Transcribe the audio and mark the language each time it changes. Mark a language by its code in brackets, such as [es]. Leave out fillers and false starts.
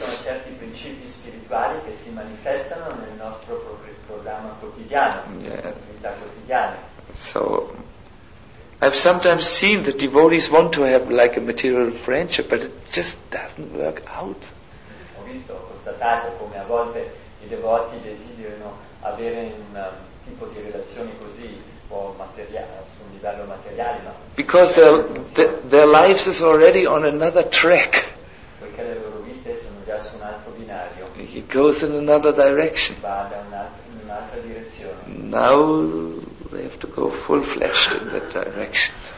[it] Ci sono certi principi spirituali che si manifestano nel nostro programma quotidiano. [en] So. I've sometimes seen that devotees want to have like a material friendship, but it just doesn't work out. [it] Ho visto, ho constatato come a volte i devoti desiderano avere un tipo di relazioni così o materiale su un livello materiale, ma [en] because their lives is already on another track. [it] Perché le loro vite sono già su un altro binario. [en] It goes in another direction. [it] Va da un'altra direzione. [en] Now they have to go full-fledged in that direction.